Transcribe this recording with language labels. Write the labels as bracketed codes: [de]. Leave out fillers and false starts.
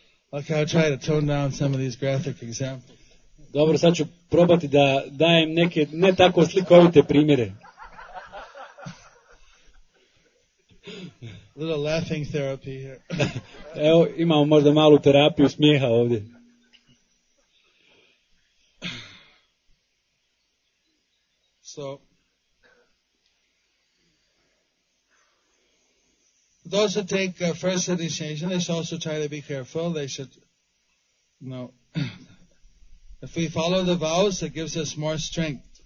[en] Okay, I'll try to tone down some of these graphic examples. [hr] Dobro, sad ću probati da dajem neke ne tako slikovite primjere. [en] A little laughing therapy here. [hr] Evo, imamo možda malu terapiju smijeha ovdje. [en] So, those who take first initiation, they should also try to be careful. They should, you know, if we follow the vows, it gives us more strength.